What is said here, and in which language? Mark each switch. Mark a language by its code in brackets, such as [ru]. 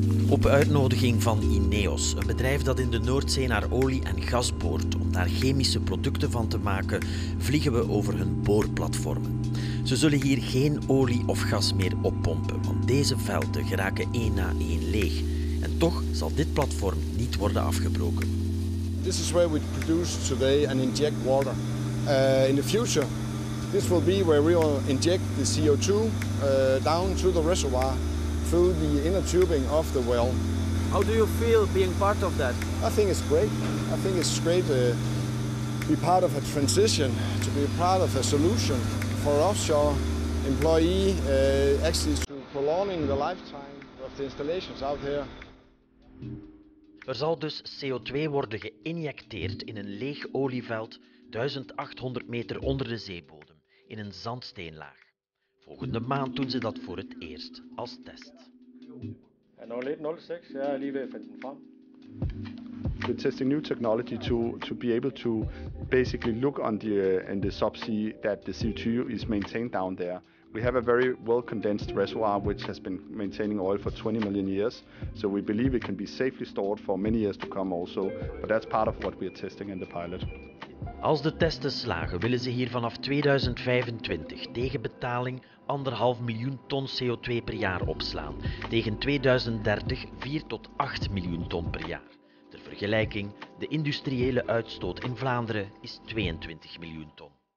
[nl] Op uitnodiging van INEOS, een bedrijf dat in de Noordzee naar olie en gas boort om daar chemische producten van te maken, vliegen we over hun boorplatformen. Ze zullen hier geen olie of gas meer oppompen, want deze velden geraken één na één leeg. En toch zal dit platform niet worden afgebroken. [en] This is where we produce today and inject water. In the future, this will be where we will inject the CO2 down to the reservoir. Through the inner tubing of the well. How do you feel being part of that? I think it's great. I think it's great to be part of a transition, to be part of a solution for offshore employee access to prolonging the lifetime of the installations out here. [nl] Er zal dus CO2 worden geïnjecteerd in een leeg olieveld 1800 meter onder de zeebodem in een zandsteenlaag. Volgende maand doen ze dat voor het eerst als test. En 0806, ja, lieve vinden van. [en] We testing new technology to be able to basically look on the in the subsea that the CO2 is maintained down there. We have a very well condensed reservoir which has been maintaining oil for 20 million years. So we believe it can be safely stored for many years to come also. But that's part of what we are testing in the pilot. [nl] Als de testen slagen, willen ze hier vanaf 2025 tegen betaling 1,5 miljoen ton CO2 per jaar opslaan. Tegen 2030 4 tot 8 miljoen ton per jaar. Ter vergelijking, de industriële uitstoot in Vlaanderen is 22 miljoen ton.